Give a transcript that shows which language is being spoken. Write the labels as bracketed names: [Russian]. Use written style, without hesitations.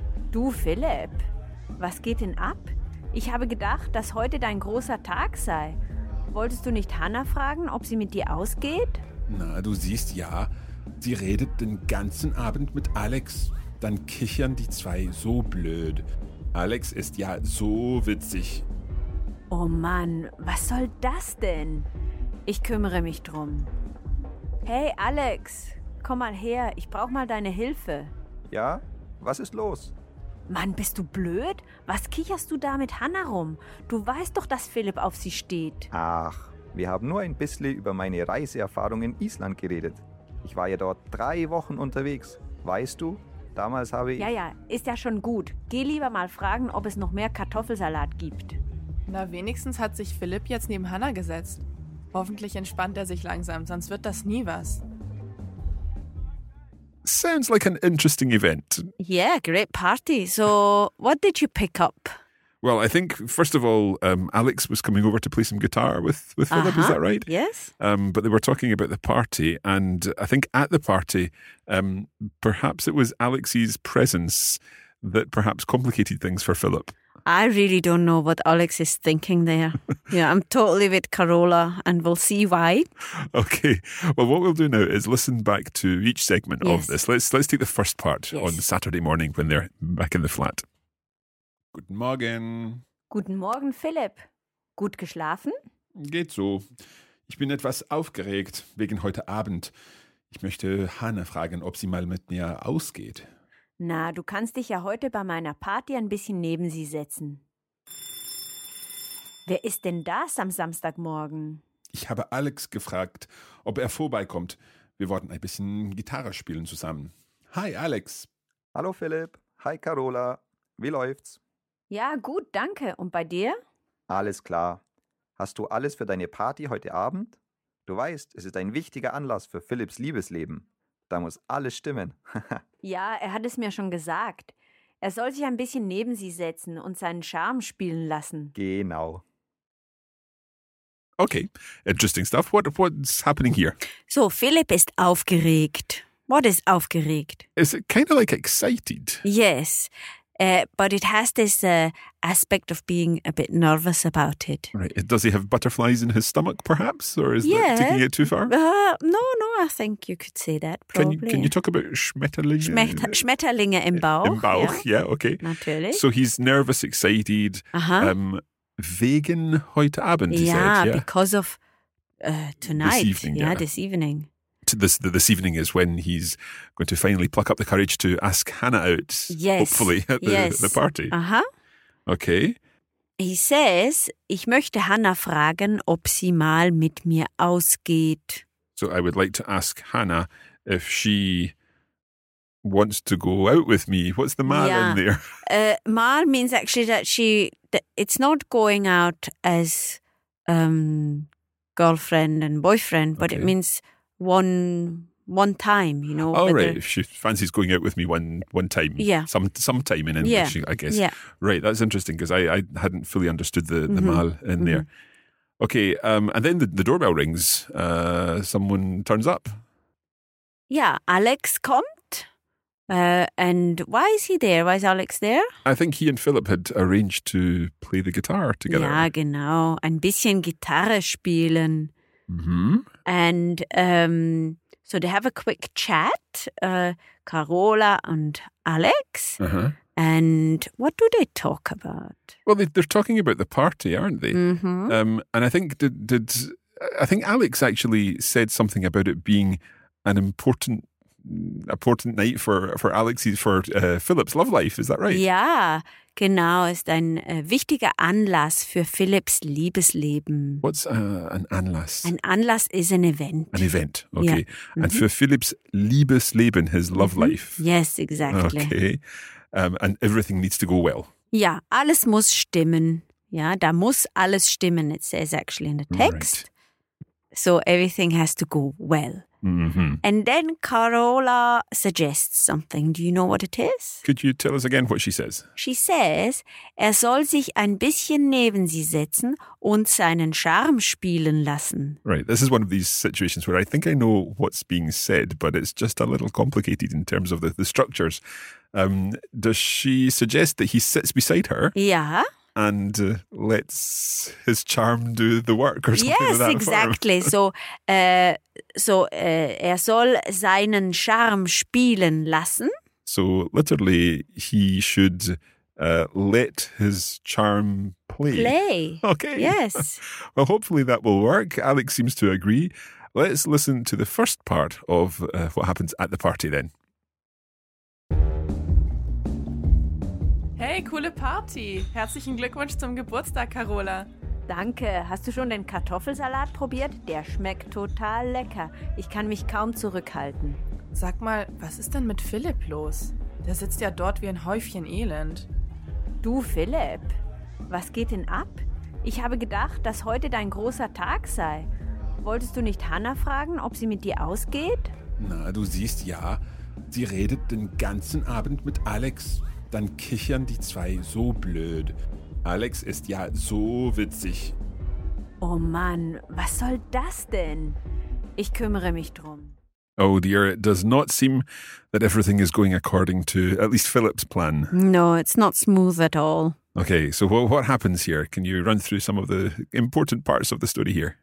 [German] Du, Philipp, was geht denn ab? Ich habe gedacht, dass heute dein großer Tag sei. Wolltest du nicht Hanna fragen, ob sie mit dir ausgeht? Na, du siehst ja, sie redet den ganzen Abend mit Alex. Dann kichern die zwei so blöd. Alex ist ja so witzig. Oh Mann, was soll das denn? Ich kümmere mich drum. Hey Alex, komm mal her, ich brauche mal deine Hilfe. Ja, was ist los? Mann, bist du blöd? Was kicherst du da mit Hanna rum? Du weißt doch, dass Philipp auf sie steht. Ach, wir haben nur ein bisschen über meine Reiseerfahrung in Island geredet. Ich war ja dort 3 Wochen unterwegs. Weißt du, damals habe ich... Ja, ist ja schon gut. Geh lieber mal fragen, ob es noch mehr Kartoffelsalat gibt. Na, wenigstens hat sich Philipp jetzt neben Hanna gesetzt. Hoffentlich entspannt er sich langsam, sonst wird das nie was. [English] Sounds like an interesting event. Yeah, great party. So, what did you pick up? Well, I think, first of all, Alex was coming over to play some guitar with uh-huh. Philip, is that right? Yes. But they were talking about the party, and I think at the party, perhaps it was Alex's presence that perhaps complicated things for Philip. I really don't know what Alex is thinking there. Yeah, I'm totally with Carola and we'll see why. Okay. Well, what we'll do now is listen back to each segment of this. Let's take the first part on Saturday morning when they're back in the flat. [German] Guten Morgen. Guten Morgen, Philipp. Gut geschlafen? Geht so. Ich bin etwas aufgeregt wegen heute Abend. Ich möchte Hannah fragen, ob sie mal mit mir ausgeht. Na, du kannst dich ja heute bei meiner Party ein bisschen neben sie setzen. Wer ist denn das am Samstagmorgen? Ich habe Alex gefragt, ob er vorbeikommt. Wir wollten ein bisschen Gitarre spielen zusammen. Hi, Alex. Hallo, Philipp. Hi, Carola. Wie läuft's? Ja, gut, danke. Und bei dir? Alles klar. Hast du alles für deine Party heute Abend? Du weißt, es ist ein wichtiger Anlass für Philipps Liebesleben. Da muss alles stimmen. Ja, er hat es mir schon gesagt. Er soll sich ein bisschen neben sie setzen und seinen Charme spielen lassen. Genau. [English] Okay, interesting stuff. What's happening here? [German] So, Philipp ist aufgeregt. [English] What is aufgeregt? Is it kind of like excited? Yes, but it has this aspect of being a bit nervous about it. Right. Does he have butterflies in his stomach, perhaps? Or is that taking it too far? No, I think you could say that, probably. Can you talk about Schmetterlinge? [German] Schmetterlinge im Bauch. Im Bauch, [English] yeah, okay. [German] Natürlich. [English] So he's nervous, excited. Uh-huh. [German] Wegen heute Abend, he [English] yeah, said. Yeah, because of tonight. This evening, yeah. Yeah, this evening. This evening is when he's going to finally pluck up the courage to ask Hannah out, yes, hopefully, at the party. Uh-huh. Okay. He says, [German] ich möchte Hannah fragen, ob sie mal mit mir ausgeht. [English] So I would like to ask Hannah if she wants to go out with me. What's the mal in there? Mal means actually that it's not going out as girlfriend and boyfriend, but it means one time, you know. Oh, right. If she fancies going out with me one time. Yeah. Sometime in English, yeah. I guess. Yeah. Right. That's interesting because I hadn't fully understood the mal in there. Okay. And then the doorbell rings. Someone turns up. Yeah. [German] Alex kommt. [English] And why is he there? Why is Alex there? I think he and Philip had arranged to play the guitar together. [German] Ja, genau. Ein bisschen Gitarre spielen. [English] Mm-hmm. And so they have a quick chat, Carola and Alex. Uh-huh. And what do they talk about? Well, they're talking about the party, aren't they? Mm-hmm. And I think I think Alex actually said something about it being an important night for Alex's Philip's love life. Is that right? Yeah, genau. [German] Ist ein wichtiger Anlass für Philipps Liebesleben. [English] What's an Anlass? An Anlass is an event. An event, okay. Yeah. Mm-hmm. And for Philipps Liebesleben, his love life. Yes, exactly. Okay. And everything needs to go well. [German] Ja, alles muss stimmen. Ja, da muss alles stimmen, [English] it says actually in the text. Right. So everything has to go well. Mm-hmm. And then Carola suggests something. Do you know what it is? Could you tell us again what she says? She says, [German] er soll sich ein bisschen neben sie setzen und seinen Charme spielen lassen. [English] Right. This is one of these situations where I think I know what's being said, but it's just a little complicated in terms of the structures. Does she suggest that he sits beside her? Yeah. And lets his charm do the work or something yes, like that. Yes, exactly. Form. [German] So er soll seinen Charme spielen lassen. [English] So literally, he should let his charm play. Play. Okay. Yes. Well, hopefully that will work. Alex seems to agree. Let's listen to the first part of what happens at the party then. [German] Hey, coole Party. Herzlichen Glückwunsch zum Geburtstag, Carola. Danke. Hast du schon den Kartoffelsalat probiert? Der schmeckt total lecker. Ich kann mich kaum zurückhalten. Sag mal, was ist denn mit Philipp los? Der sitzt ja dort wie ein Häufchen Elend. Du, Philipp, was geht denn ab? Ich habe gedacht, dass heute dein großer Tag sei. Wolltest du nicht Hannah fragen, ob sie mit dir ausgeht? Na, du siehst ja, sie redet den ganzen Abend mit Alex. Dann kichern die zwei so blöd. Alex ist ja so witzig. Oh Mann, was soll das denn? Ich kümmere mich drum. [English] Oh dear, it does not seem that everything is going according to at least Philip's plan. No, it's not smooth at all. Okay, so what happens here? Can you run through some of the important parts of the story here?